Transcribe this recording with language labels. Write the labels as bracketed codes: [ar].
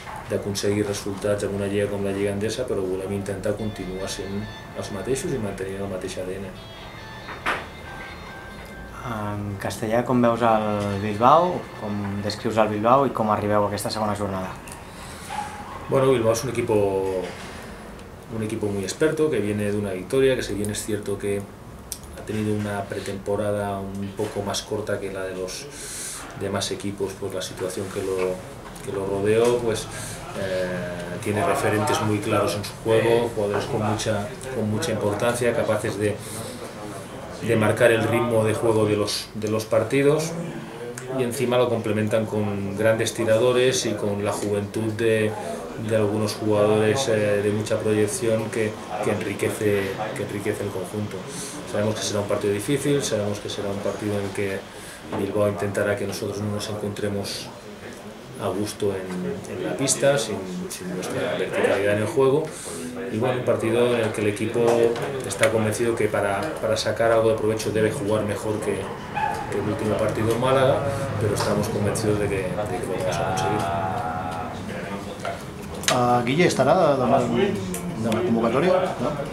[ca] d'aconseguir resultats en una lliga com la Lliga Endesa, però volem intentar continuar sent els mateixos i mantenir la mateixa ADN. En castellà, com veus el Bilbao, com descrius el Bilbao i com arribeu a aquesta segona jornada? [es] Bueno, Bilbao es un equipo muy experto que viene de una victoria, que si bien es cierto que ha tenido una pretemporada un poco más corta que la de los demás equipos, pues la situación que lo rodeó, pues tiene referentes muy claros en su juego, jugadores con mucha importancia, capaces de marcar el ritmo de juego de los partidos, y encima lo complementan con grandes tiradores y con la juventud de algunos jugadores de mucha proyección que enriquece el conjunto. Sabemos que será un partido difícil, sabemos que será un partido en el que Bilbao intentará que nosotros no nos encontremos a gusto en la pista, sin nuestra verticalidad en el juego. Y bueno, un partido en el que el equipo está convencido que para sacar algo de provecho debe jugar mejor que el último partido en Málaga, pero estamos convencidos de que lo vamos a conseguir. [ca] Guille estarà demà en la convocatòria, no?